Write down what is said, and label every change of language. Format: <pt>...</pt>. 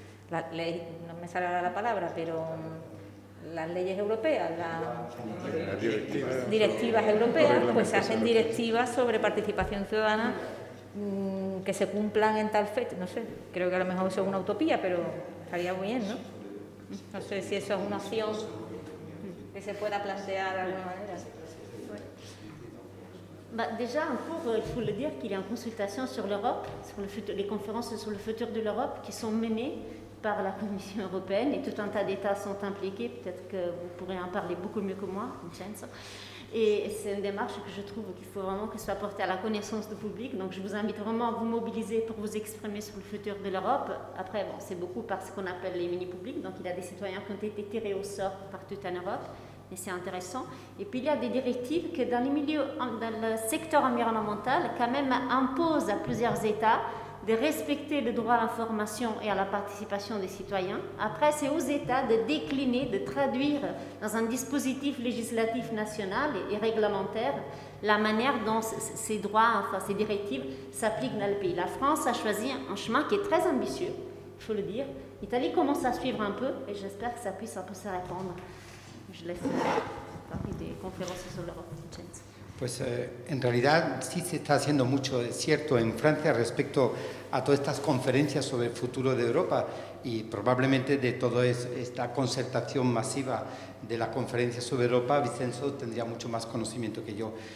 <es>La ley, no me sale ahora la palabra, pero las leyes europeas, directivas europeas, pues se hacen directivas sobre participación ciudadana que se cumplan en tal fecha. No sé, creo que a lo mejor eso es una utopía, pero estaría muy bien, ¿no? No sé si eso es una opción que se pueda plantear de alguna manera.</es> <fr>Bah, déjà, en cours, il faut le dire qu'il y a une consultation sur l'Europe, sur les conférences sur le futur de l'Europe qui sont menées par la Commission européenne et tout un tas d'États sont impliqués. Peut-être que vous pourrez en parler beaucoup mieux que moi, Vincenzo. Et c'est une démarche que je trouve qu'il faut vraiment que soit portée à la connaissance du public. Donc je vous invite vraiment à vous mobiliser pour vous exprimer sur le futur de l'Europe. Après, bon, c'est beaucoup par ce qu'on appelle les mini-publics. Donc il y a des citoyens qui ont été tirés au sort partout en Europe. Et c'est intéressant. Et puis il y a des directives que dans les milieux, dans le secteur environnemental, quand même imposent à plusieurs États de respecter le droit à l'information et à la participation des citoyens. Après, c'est aux États de décliner, de traduire dans un dispositif législatif national et réglementaire la manière dont ces droits, enfin ces directives, s'appliquent dans le pays. La France a choisi un chemin qui est très ambitieux, il faut le dire. L'Italie commence à suivre un peu et j'espère que ça puisse un peu se répandre. Je laisse parler des conférences sur l'Europe.</fr> <es>Pues en realidad sí se está haciendo mucho, es cierto, en Francia respecto a todas estas conferencias sobre el futuro de Europa y probablemente de toda esta concertación masiva de la conferencia sobre Europa, Vincenzo tendría mucho más conocimiento que yo.</es>